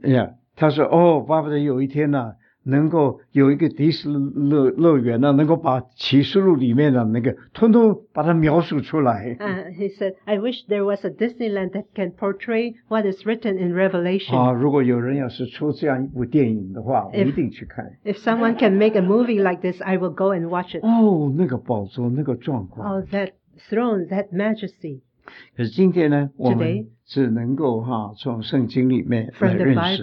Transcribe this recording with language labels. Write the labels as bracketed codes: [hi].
[en] Yeah. [zh] 他说哦，巴不得有一天呢，能够有一个迪士尼乐园呢，能够把启示录里面的那个通通把它描述出来。 [en] He said, I wish there was a Disneyland that can portray what is written in Revelation. [zh] 啊，如果有人要是出这样一部电影的话，我一定去看。 [en] If someone can make a movie like this, I will go and watch it. [zh] 哦，那个宝座，那个壮观。 [en] Oh, that throne, that majesty. [zh] 可是今天呢，我们只能够哈从圣经里面来认识。